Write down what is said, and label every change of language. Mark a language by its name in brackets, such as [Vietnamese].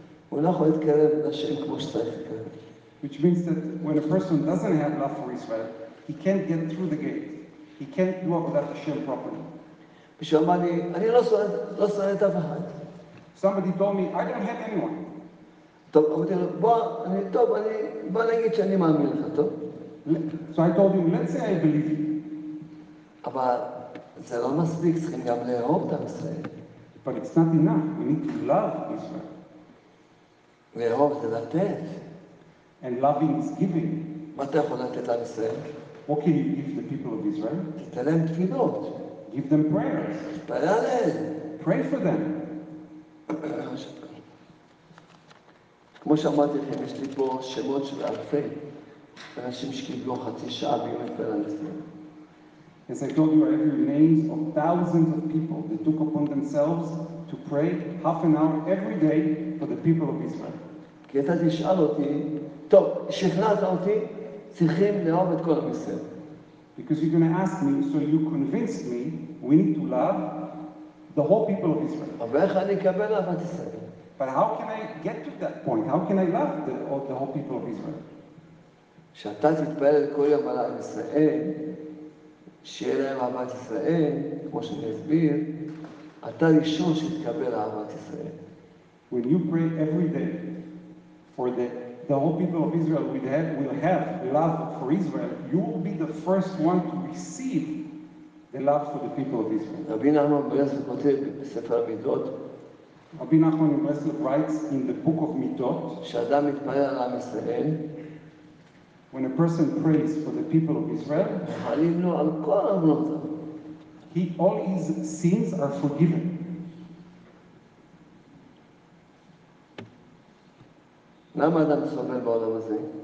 [Hebrew] הוא לא יכול להתקרב לשם כמו שצריך להתקרב. [English] Which means that when a person doesn't have love for Israel, he can't get through the gate. He can't do עבודת השם properly. [Hebrew] מישהו אמר לי, אני לא שונא את אף אחד. [English] Somebody told me, I don't have anyone. [Hebrew] טוב, אמרתי לו, בוא נגיד שאני מאמין לך, טוב? [English] So I told him, let's say I believe you. [Hebrew] אבל זה לא מספיק, צריכים גם לאהוב את ישראל. [English] But it's not enough, we need to love Israel. [Hebrew] לאהוב זה לתת. [English] And loving is giving. [Hebrew] מה אתה יכול לתת לעם ישראל? [English] What can you give the people of Israel? [Hebrew] תתן להם תפילות. [English] Give them prayers. [Hebrew] תתפלל עליהם. [English] Pray for them. [Hebrew] כמו שאמרתי לכם, יש לי פה שמות של אלפי אנשים שקיבלו חצי שעה ביום התפלל. [English] As I told you, I have your names of thousands of people that took upon themselves to pray half an hour every day for the people of Israel. [Hebrew] כי אתה תשאל אותי, טוב, שכנעת אותי, צריכים לאהוב את כל עם ישראל. [English] Because you're going to ask me, so you convinced me, we need to love the whole people of Israel. [Hebrew] אבל איך אני אקבל אהבת ישראל? [English] But how can I get to that point? How can I love the whole people of Israel? [Hebrew] כשאתה תתפלל כל יום על עם ישראל, שיהיה להם אהבת ישראל, כמו שאני אסביר, אתה ראשון שתקבל אהבת ישראל. [English] When you pray every day for the whole people of Israel will have love for Israel, you will be the first one to receive the love for the people of Israel. [Hebrew] רבי נחמן ברסלב כותב בספר המידות, [English] רבי נחמן מברסלב writes in the book of Midot, [Hebrew] שאדם מתפלל על עם ישראל, [English] when a person prays for the people of Israel, [Hebrew] חלים לו על כל עוונות, [English] all his sins are forgiven. [Hebrew] למה אדם סובל בעולם הזה?